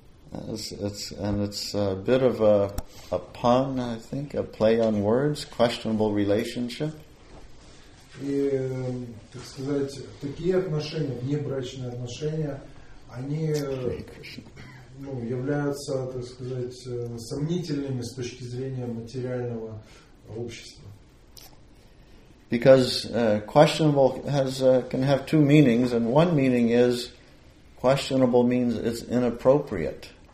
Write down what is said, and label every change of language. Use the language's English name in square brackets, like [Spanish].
[English] It's a bit of a pun, I think, a play on words, questionable relationship. [Russian] И, так сказать, такие отношения, внебрачные отношения, они ну, являются, так сказать, сомнительными с точки зрения материального общества. [English] Because questionable can have two meanings, and one meaning is questionable means it's inappropriate.